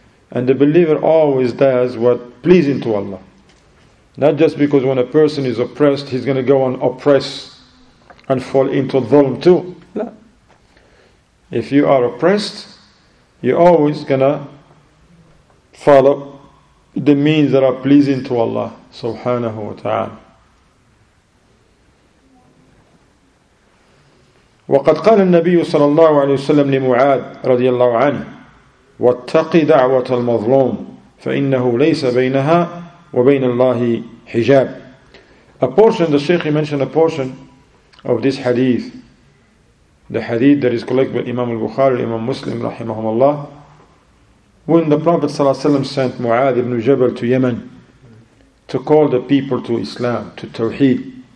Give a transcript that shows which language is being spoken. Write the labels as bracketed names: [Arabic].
[English] And the believer always does what pleasing to Allah. Not just because when a person is oppressed, he's going to go and oppress and fall into dhulm too. No. If you are oppressed, you're always going to follow the means that are pleasing to Allah subhanahu wa ta'ala. [Arabic] وقد قال النبي صلى الله عليه وسلم لمعاذ رضي الله عنه واتق دعوة المظلوم فإنه ليس بينها وبين الله حجاب. [English] A portion, the Shaykh mentioned a portion of this hadith, the hadith that is collected by Imam al-Bukhari, Imam Muslim رحمهم الله, when the Prophet صلى الله عليه وسلم sent معاذ بن جبل to Yemen to call the people to Islam, to Tawheed.